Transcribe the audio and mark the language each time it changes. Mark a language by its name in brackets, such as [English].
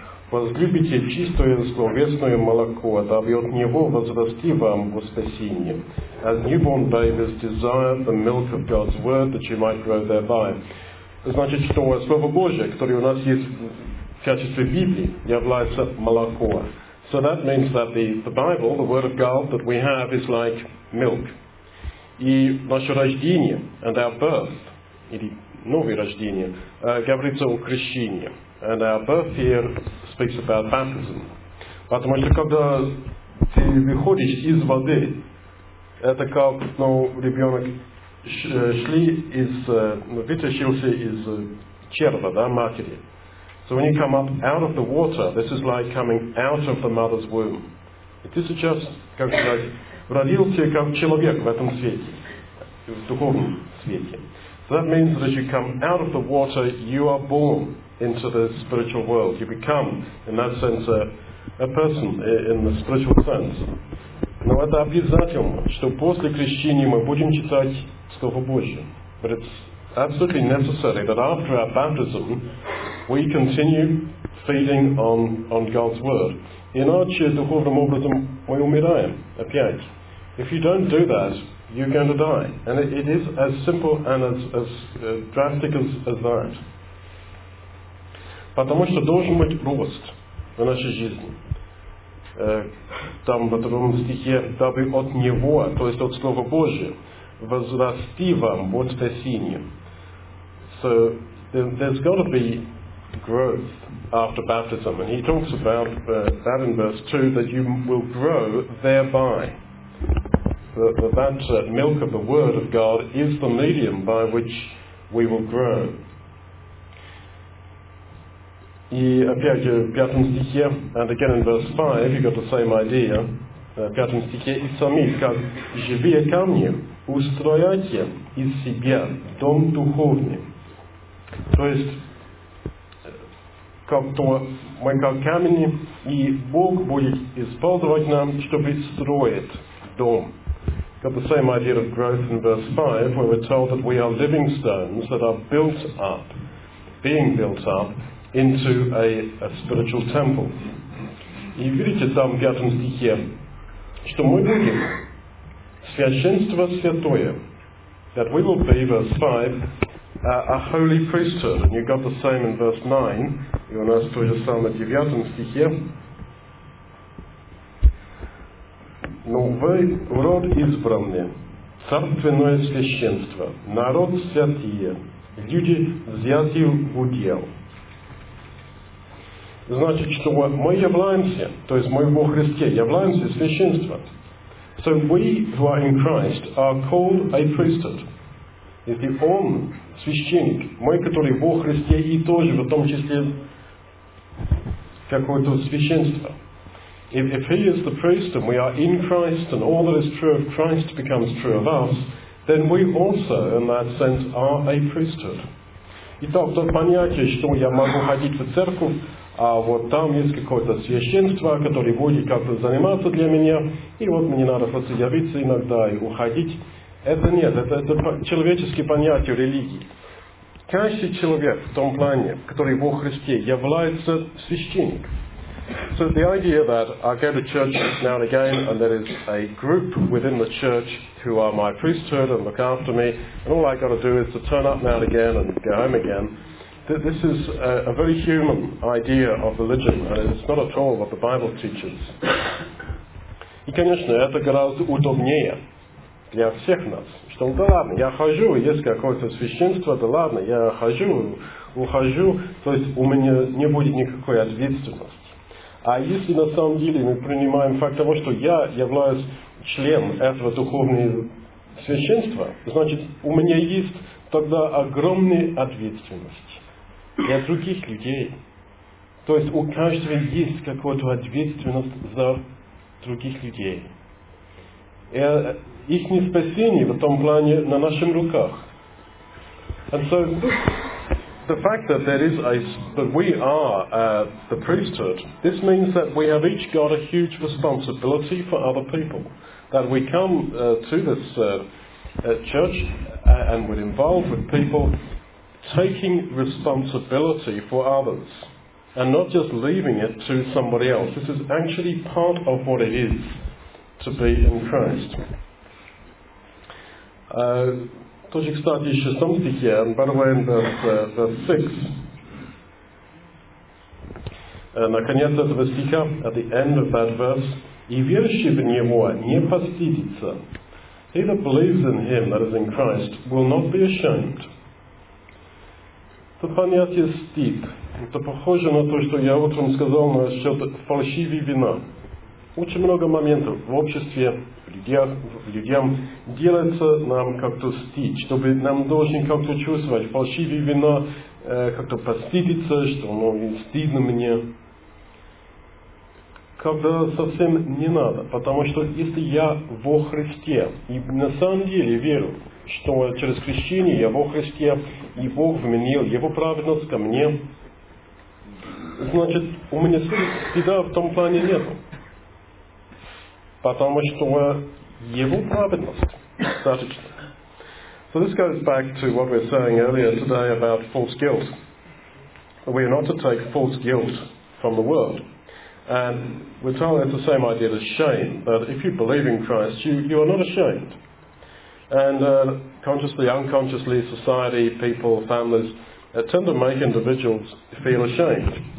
[Russian] Возлюбите чистое словесное молоко, дабы от него возрасти вам во спасение. [English] As newborn babies desire the milk of God's word, that you might grow thereby. [Russian] Значит, что Слово Божие, которое у нас есть в качестве Библии, является молоком. [English] So that means that the Bible, the word of God that we have is like milk. [Russian] И наше рождение, [English] and our birth, [Russian] или новое рождение, говорится о крещении. [English] And our birth here speaks about baptism. [Russian] Потому что когда ты выходишь из воды, это как, ну, ребенок шли из, вытащился из черва, да, матери. [English] So when you come up out of the water, this is like coming out of the mother's womb. И ты сейчас, как сказать, родился как человек в этом свете, в духовном свете. So that means that as you come out of the water, you are born into the spiritual world. You become, in that sense, a person in the spiritual sense. [Russian] Но это обязательно, что после крещения мы будем читать Слово Божие. [English] But it's absolutely necessary that after our baptism, we continue feeding on God's Word. [Russian] Иначе духовным образом мы умираем. Опять. [English] If you don't do that, you're going to die. And it is as simple and as drastic as that. [Russian] Потому что должен быть рост в нашей жизни. Там в втором стихе, дабы от Него, то есть от Слова Божия, возрасти вам вот спасение. [English] So there's got to be growth after baptism. And he talks about that in verse 2, that you will grow thereby. That milk of the Word of God is the medium by which we will grow. [Russian] И опять же в пятом стихе, [English] and again in verse 5, you got the same idea, [Russian] в пятом стихе, и сами, как живые камни, устрояйте из себя дом духовный. То есть, как то мы как камни, и Бог будет использовать нам, чтобы строить дом. [English] Got the same idea of growth in verse 5, where we're told that we are living stones that are built up, being built up, into a spiritual temple. [Russian] И видите там в пятом стихе, что мы будем священство святое, [English] that we will be, verse 5, a holy priesthood. And you got the same in verse 9, [Russian] и у нас тоже самое в девятом стихе. Но вы род избранный, царственное священство, народ святые, люди взятые в удел. Значит, что мы являемся, то есть мы во Христе, являемся священством. [English] So we who are in Christ are called a priesthood. [Russian] Если Он священник, мы, которые во Христе, и тоже в том числе какое-то священство. [English] If he is the priest and we are in Christ and all that is true of Christ becomes true of us, then we also, in that sense, are a priesthood. [Russian] Итак, то понятие, что я могу ходить в церковь, а вот там есть какое-то священство, которое будет как-то заниматься для меня, и вот мне надо просто явиться иногда и уходить. Это нет, это человеческое понятие религии. Каждый человек в том плане, который во Христе, является священником. [English] So the idea that I go to church now and again, and there is a group within the church who are my priesthood and look after me, and all I got to do is to turn up now and again and go home again, this is a very human idea of religion, and it's not at all what the Bible teaches. [Russian] И, конечно, это гораздо удобнее для всех нас. Что, да ладно, я хожу, есть какое-то священство, да ладно, я хожу, ухожу, то есть у меня не будет никакой ответственности. А если на самом деле мы принимаем факт того, что я являюсь членом этого духовного священства, значит, у меня есть тогда огромная ответственность. Для других людей. То есть у каждого есть какую-то ответственность за других людей. И их не спасение в том плане на наших руках. [English] And so the fact that there is a that we are the priesthood, this means that we have each got a huge responsibility for other people. That we come to this church and we're involved with people taking responsibility for others and not just leaving it to somebody else. This is actually part of what it is to be in Christ. [Russian] Тоже, кстати, еще сам стихи, Анбарвайн, [English] verse 6. [Russian] Наконец этого стиха, [English] at the end of that verse, [Russian] и верующий в Него не постыдится. [English] He that believes in Him, that is in Christ, will not be ashamed. [Russian] Это понятие стыд. Это похоже на то, что я утром сказал насчет фальшивой вины. Очень много моментов в обществе, людям делается нам как-то стыд, чтобы нам должен как-то чувствовать фальшивую вину, как-то постыдиться, что оно стыдно мне. Когда совсем не надо, потому что если я во Христе и на самом деле верю, что через крещение я во Христе и Бог вменил Его праведность ко мне, значит у меня стыда в том плане нету. Потому что его праведность достаточно. [English] So this goes back to what we were saying earlier today about false guilt. We are not to take false guilt from the world. And we're told it's the same idea as shame, that if you believe in Christ, you are not ashamed. And consciously, unconsciously, society, people, families tend to make individuals feel ashamed.